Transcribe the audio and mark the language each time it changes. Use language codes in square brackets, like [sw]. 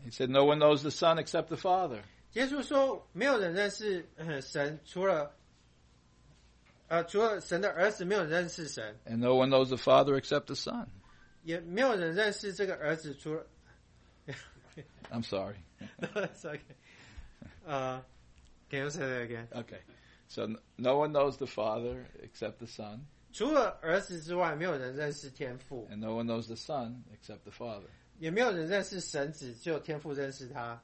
[en] He said, no one knows the Son except the Father. [zh] 耶稣说,没有人认识神,除了神的儿子,没有人认识神。 [en] And no one knows the Father except the Son. [zh] 也没有人认识这个儿子,除了... [en] I'm sorry. That's okay. Can you say that again? Okay. So no one knows the Father except the Son. [zh] 除了儿子之外,没有人认识天父。 [en] And no one knows the Son except the Father. [zh] 也没有人认识神子,只有天父认识他。